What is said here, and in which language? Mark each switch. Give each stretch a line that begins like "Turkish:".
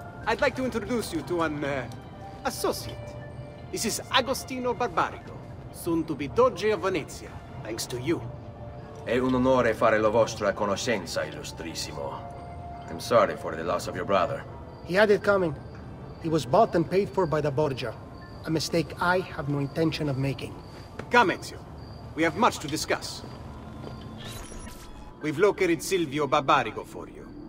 English: I'd like to introduce you to an associate. This is Agostino Barbarico, soon to be Doge of Venezia, thanks to you.
Italian: È un onore fare la vostra conoscenza, illustrissimo.
English: I'm sorry for the loss of your brother. He had it coming. He was bought and paid for by the Borgia. A mistake I have no intention of making. Come, Ezio. We have much to discuss. We've located Silvio Barbarico for you.